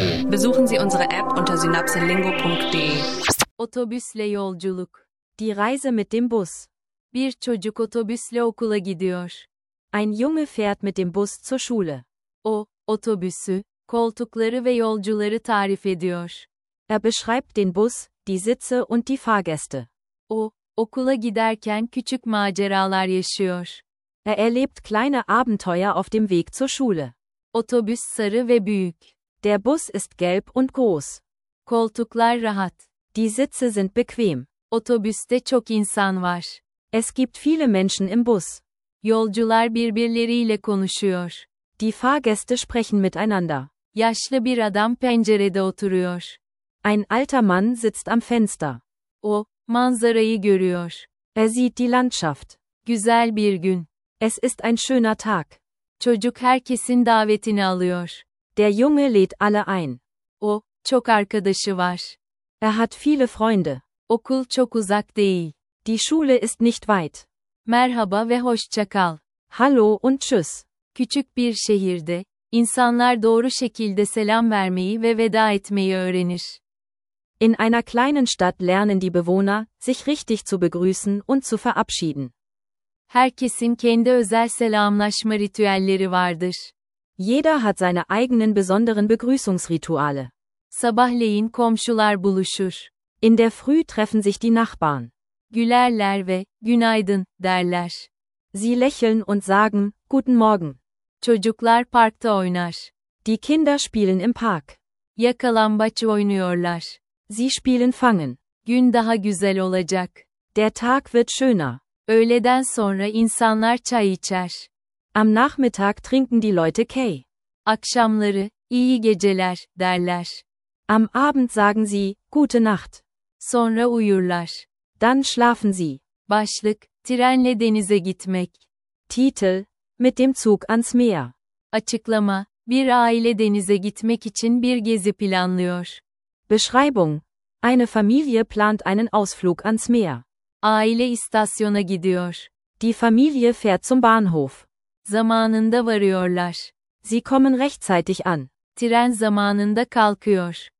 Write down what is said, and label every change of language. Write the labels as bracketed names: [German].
[German] Besuchen Sie unsere App unter synapselingo.de. [Turkish] Otobüsle yolculuk. [German] Die Reise mit dem Bus. [Turkish] Bir çocuk otobüsle okula gidiyor. [German] Ein Junge fährt mit dem Bus zur Schule. [Turkish] O, otobüsü, koltukları ve yolcuları tarif ediyor. [German] Er beschreibt den Bus, die Sitze und die Fahrgäste. [Turkish] O, okula giderken küçük maceralar yaşıyor. [German] Er erlebt kleine Abenteuer auf dem Weg zur Schule. [Turkish] Otobüs sarı ve büyük. [German] Der Bus ist gelb und groß. [Turkish] Koltuklar rahat. [German] Die Sitze sind bequem. [Turkish] Otobüste çok insan var. [German] Es gibt viele Menschen im Bus. [Turkish] Yolcular birbirleriyle konuşuyor. [German] Die Fahrgäste sprechen miteinander. [Turkish] Yaşlı bir adam pencerede oturuyor. [German] Ein alter Mann sitzt am Fenster. [Turkish] O, manzarayı görüyor. [German] Er sieht die Landschaft. [Turkish] Güzel bir gün. [German] Es ist ein schöner Tag. [Turkish] Çocuk herkesin davetini alıyor. [German] Der Junge lädt alle ein. [Turkish] O, çok arkadaşı var. [German] Er hat viele Freunde. [Turkish] Okul çok uzak değil. [German] Die Schule ist nicht weit. [Turkish] Merhaba ve hoşça kal. [German] Hallo und tschüss. [Turkish] Küçük bir şehirde, insanlar doğru şekilde selam vermeyi ve veda etmeyi öğrenir. [German] In einer kleinen Stadt lernen die Bewohner, sich richtig zu begrüßen und zu verabschieden. [Turkish] Herkesin kendi özel selamlaşma ritüelleri vardır. [German] Jeder hat seine eigenen besonderen Begrüßungsrituale. [Turkish] Sabahleyin komşular buluşur. [German] In der Früh treffen sich die Nachbarn. [Turkish] Gülerler ve günaydın derler. [German] Sie lächeln und sagen guten Morgen. [Turkish] Çocuklar parkta oynar. [German] Die Kinder spielen im Park. [Turkish] Yakalambaç oynuyorlar. [German] Sie spielen fangen. [Turkish] Gün daha güzel olacak. [German] Der Tag wird schöner. [Turkish] Öğleden sonra insanlar çay içer. [German] Am Nachmittag trinken die Leute Kay. [Turkish] Akşamları, iyi geceler, derler. [German] Am Abend sagen sie, gute Nacht. [Turkish] Sonra uyurlar. [German] Dann schlafen sie. [Turkish] Başlık, trenle denize gitmek. [German] Titel, mit dem Zug ans Meer. [Turkish] Açıklama, bir aile denize gitmek için bir gezi planlıyor. [German] Beschreibung, eine Familie plant einen Ausflug ans Meer. [Turkish] Aile istasyona gidiyor. [German] Die Familie fährt zum Bahnhof. [Turkish] Zamanında varıyorlar. [German] Sie kommen rechtzeitig an. [Turkish] Tren zamanında kalkıyor.